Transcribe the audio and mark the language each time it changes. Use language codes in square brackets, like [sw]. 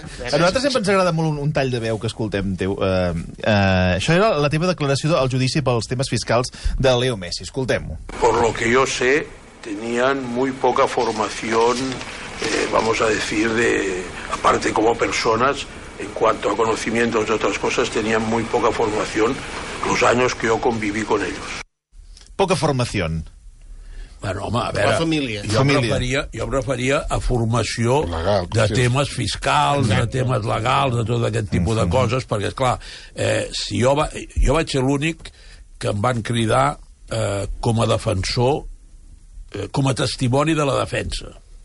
[ca] A nosaltres sempre ens agrada molt un tall de veu que escoltem teu. Això era la teva declaració al judici pels temes fiscals de Leo Messi. Escoltem-ho. [es] Por lo que yo sé, tenían muy poca formación, vamos a decir, de aparte como personas, en cuanto a conocimientos de otras cosas, tenían muy poca formación los años que yo conviví con ellos. Poca formación. [ca] Bueno, home, a veure, jo em referia a formació legal, de temes fiscals, de temes legals, de tot aquest tipus de coses, perquè, esclar, jo vaig ser l'únic que em van cridar com a defensor, com a testimoni de la defensa.